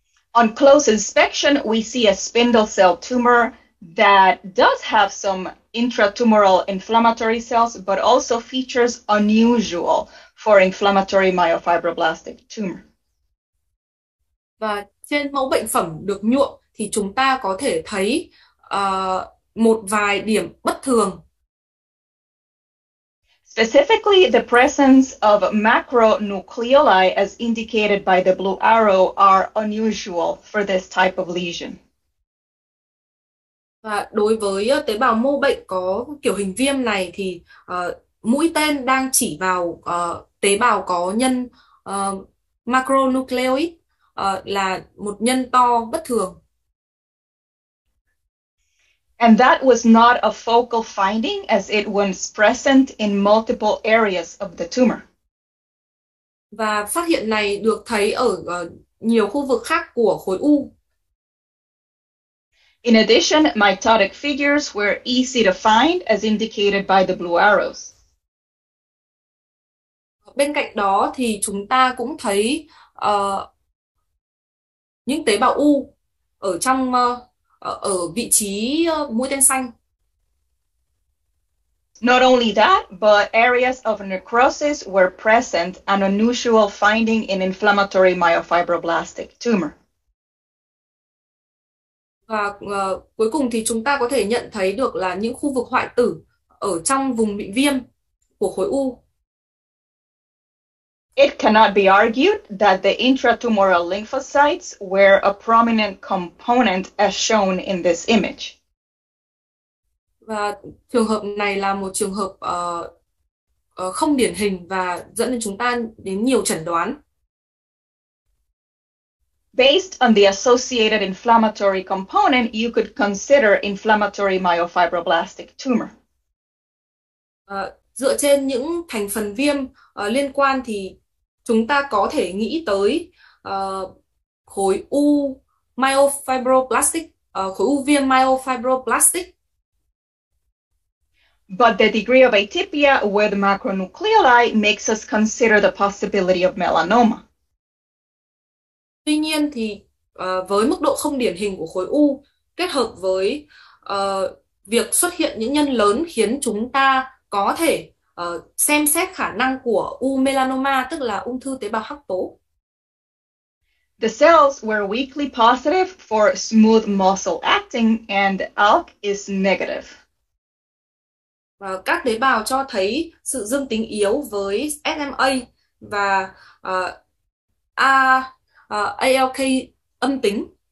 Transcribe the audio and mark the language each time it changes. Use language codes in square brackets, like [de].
[en] On close inspection, we see a spindle cell tumor that does have some intratumoral inflammatory cells, but also features unusual for inflammatory myofibroblastic tumor. [vi] Và trên mẫu bệnh phẩm được nhuộm thì chúng ta có thể thấy một vài điểm bất thường. [en] Specifically, the presence of macronucleoli, as indicated by the blue arrow, are unusual for this type of lesion. [vi] Và đối với tế bào mô bệnh có kiểu hình viêm này thì mũi tên đang chỉ vào tế bào có nhân macronucleoid. Là một nhân to bất thường. [en] And that was not a focal finding as it was present in multiple areas of the tumor. [vi] Và phát hiện này được thấy ở nhiều khu vực khác của khối u. [en] In addition, mitotic figures were easy to find as indicated by the blue arrows. [vi] Bên cạnh đó thì chúng ta cũng thấy những tế bào u ở trong ở vị trí mũi tên xanh. [en] Not only that, but areas of necrosis were present, an unusual finding in inflammatory myofibroblastic tumor. [vi] Và cuối cùng thì chúng ta có thể nhận thấy được là những khu vực hoại tử ở trong vùng bị viêm của khối u. [en] It cannot be argued that the intratumoral lymphocytes were a prominent component as shown in this image. [vi] Và trường hợp này là một trường hợp không điển hình và dẫn đến chúng ta đến nhiều chẩn đoán. [en] Based on the associated inflammatory component, you could consider inflammatory myofibroblastic tumor. [vi] Dựa trên những thành phần viêm liên quan thì chúng ta có thể nghĩ tới khối u myofibroblastic, khối u viêm myofibroblastic. [en] But the degree of atypia with macronucleoli makes us consider the possibility of melanoma. [vi] Tuy nhiên thì với mức độ không điển hình của khối u kết hợp với việc xuất hiện những nhân lớn khiến chúng ta có thể xem xét khả năng của u melanoma, tức là ung thư tế bào hắc tố. [en] The cells were weakly positive for smooth muscle actin and ALK is negative. [vi] Và các tế bào cho thấy sự dương tính yếu với SMA và ALK âm tính.